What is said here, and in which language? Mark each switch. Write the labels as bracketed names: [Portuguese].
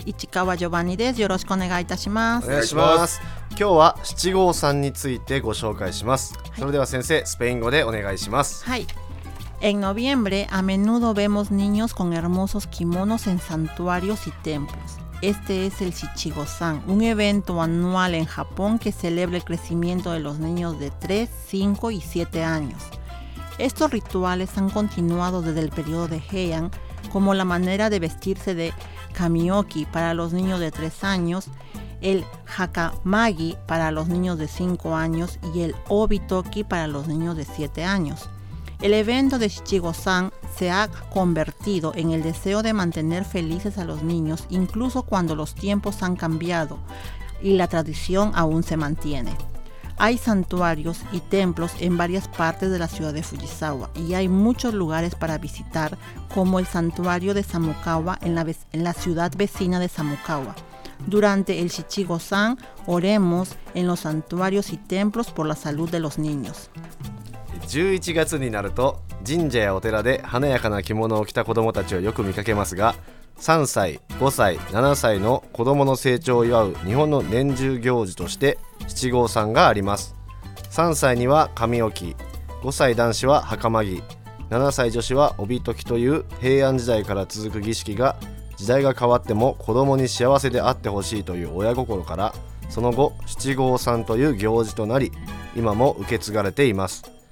[Japanese] 市川ジョバンニです。よろしくお願いいたします。お願いします。今日は七五三についてご紹介します、はい、それでは先生スペイン語でお願いします。はい。 [Spanish] En noviembre, a menudo vemos niños con hermosos kimonos en santuarios y templos. Este es el Shichigo-san, un evento anual en Japón que celebra el crecimiento de los niños de 3, 5 y 7 años. Estos rituales han continuado desde el periodo de Heian, como la manera de vestirse de kamioki para los niños de 3 años, el hakamagi para los niños de 5 años y el obitoki para los niños de 7 años. El evento de Shichigo-san se ha convertido en el deseo de mantener felices a los niños incluso cuando los tiempos han cambiado y la tradición aún se mantiene. Hay santuarios y templos en varias partes de la ciudad de Fujisawa y hay muchos lugares para visitar, como el santuario de Samukawa en la ciudad vecina de Samukawa. Durante el Shichigo-san, oremos en los santuarios y templos por la salud de los niños. [Japanese] 11月になると神社やお寺で華やかな着物を着た子どもたちをよく見かけますが、3歳、5歳、7歳の子どもの成長を祝う日本の年中行事として七五三があります。 3歳には髪置き、5歳男子は袴着、7歳女子は帯解きという平安時代から続く儀式が、時代が変わっても子どもに幸せであってほしいという親心から、その後七五三という行事となり今も受け継がれています。